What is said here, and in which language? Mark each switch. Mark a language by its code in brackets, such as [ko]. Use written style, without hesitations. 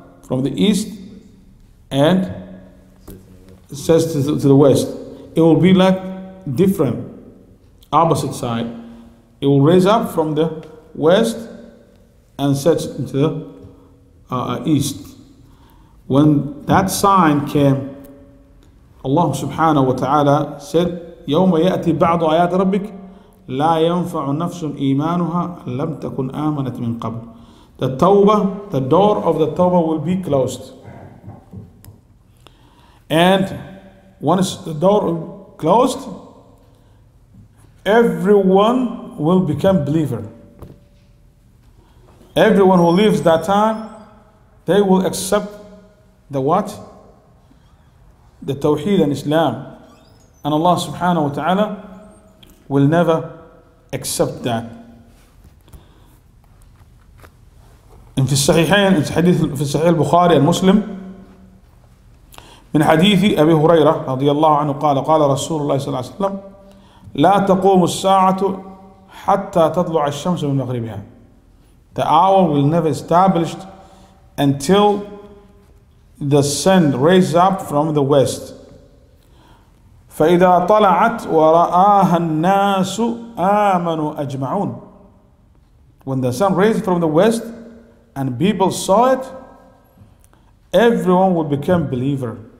[en] From the east, and says to the west. It will be like different, opposite side. It will raise up from the west and sets into the east. When that sign came, Allah subhanahu wa ta'ala said, [ar] يَوْمَ يَأْتِي بَعْضُ آيَاتِ رَبِّكَ لَا يَنْفَعُ نَفْسٌ إِيمَانُهَا لَمْ تَكُنْ آمَنَتْ مِنْ قَبْلُ. [en] The tawbah, the door of the tawbah will be closed. And once the door closed, everyone will become believer. Everyone who leaves that time, they will accept the what? The Tawheed and Islam. And Allah subhanahu wa ta'ala will never accept that. In the Sahihain, in the Sahih al-Bukhari and Muslim, [ar] من حديث أبي هريرة رضي الله عنه قال قال رسول الله صلى الله عليه وسلم لا تقوم الساعة حتى تطلع الشمس من مغربها. [en] The hour will never established until the sun raises up from the west. [ar] فإذا طلعت ورآها الناس آمنوا أجمعون. [en] When the sun raises from the west and people saw it, everyone will become believer.